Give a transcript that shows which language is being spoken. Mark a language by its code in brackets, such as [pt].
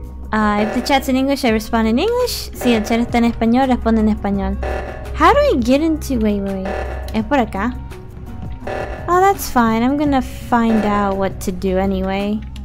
[en] If the chat's in English, I respond in English. [es] Si el chat está en español, respondo en español. [en] How do I get into... Wait, wait, wait. [es] Es por acá. [en] Oh, that's fine. I'm gonna find out what to do anyway.